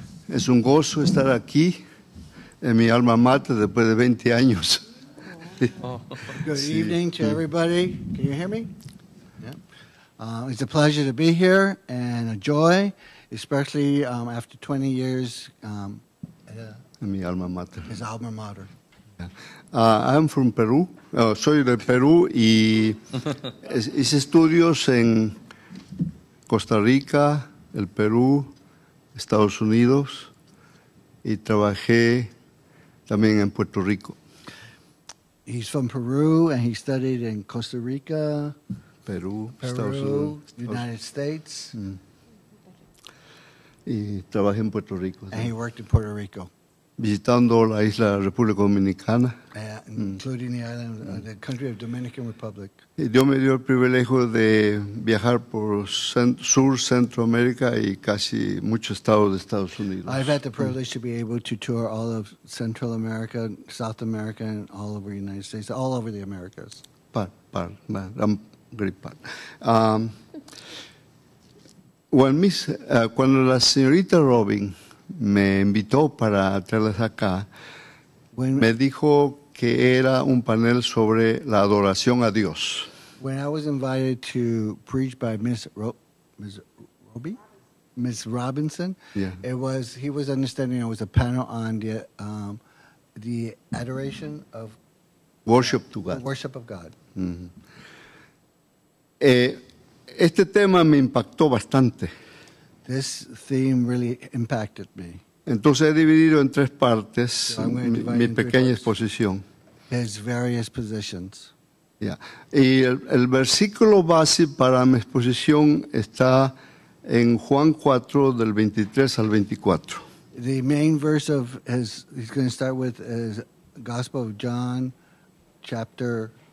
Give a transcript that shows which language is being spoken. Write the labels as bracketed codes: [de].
[es] Es un gozo estar aquí en mi alma mater después de 20 años. [en] Good evening to everybody. Can you hear me? It's a pleasure to be here and a joy, especially after 20 years in my alma mater. His alma mater. I'm from Peru. [es] Soy de Perú y hice estudios en Costa Rica, el Perú, Estados Unidos, y trabajé también en Puerto Rico. [en] He's from Peru and he studied in Costa Rica, Peru, Estados Unidos, United States. [es] Y trabajé en Puerto Rico. [en] And he worked in Puerto Rico. [es] Visitando la isla de la República Dominicana. [en] Including the island, the country of Dominican Republic. [es] Y Dios me dio el privilegio de viajar por Sur, Centroamérica y casi muchos estados de Estados Unidos. [en] I've had the privilege to be able to tour all of Central America, South America, and all over the United States, all over the Americas. [es] Cuando la señorita Robin me invitó para traerles acá, me dijo que era un panel sobre la adoración a Dios. [en] When I was invited to preach by Miss Robinson, yeah. he was understanding it was a panel on the adoration of worship to God. Worship of God. [es] Mm-hmm. Este tema me impactó bastante. [en] This theme really impacted me. [es] Entonces he dividido en tres partes mi pequeña exposición. [en] His various positions. Yeah. [es] Y el versículo base para mi exposición está en Juan 4, del 23 al 24. [en] The main verse of his, he's going to start with is Gospel of John, chapter